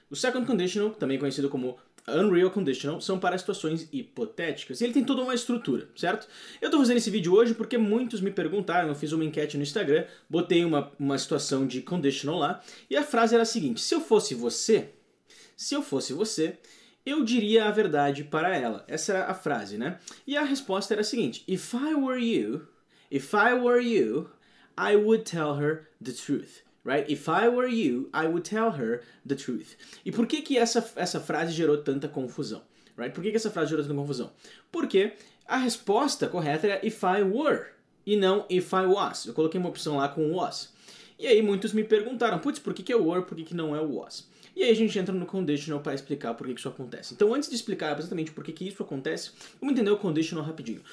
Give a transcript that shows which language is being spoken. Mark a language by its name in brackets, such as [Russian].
[Portuguese] O second conditional, também conhecido como unreal conditional, são para situações hipotéticas. E ele tem toda uma estrutura, certo? Eu tô fazendo esse vídeo hoje porque muitos me perguntaram, eu fiz uma enquete no Instagram, botei uma situação de conditional lá, e a frase era a seguinte: se eu fosse você... eu diria a verdade para ela. Essa era a frase, né? E a resposta era a seguinte: [English] If I were you, I would tell her the truth, right? If I were you, I would tell her the truth. [Portuguese] E por que que essa frase gerou tanta confusão, right? Por que que essa frase gerou tanta confusão? Porque a resposta correta era if I were, e não if I was. Eu coloquei uma opção lá com was. E aí muitos me perguntaram: putz, por que que é were, por que que não é was? E aí a gente entra no conditional para explicar por que isso acontece. Então, antes de explicar exatamente por que isso acontece, vamos entender o conditional rapidinho.